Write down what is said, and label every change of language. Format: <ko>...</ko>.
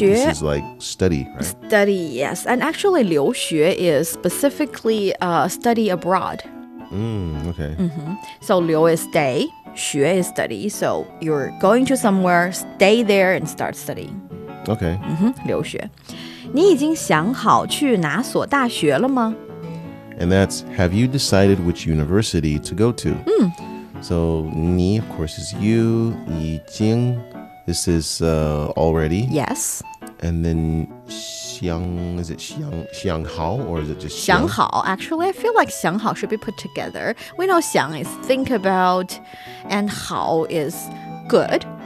<en>This is like study, right? Study, yes. And actually, liúxué is specifically study abroad. Okay. So liú is stay, xué is study. So you're going to somewhere, stay there, and start studying. Okay.</en> <zh>留学. 你已经想好去哪所大学了吗?</zh> <en>And that's, have you decided which university to go to? So, 你, of course, is you, 已经, this is already. Yes. And then, 想, is it 想, 想好, or is it just</en> <zh>想?</zh> <en>想好, actually, I feel like 想好 should be put together. We know 想 is think about, and 好 is good.</en>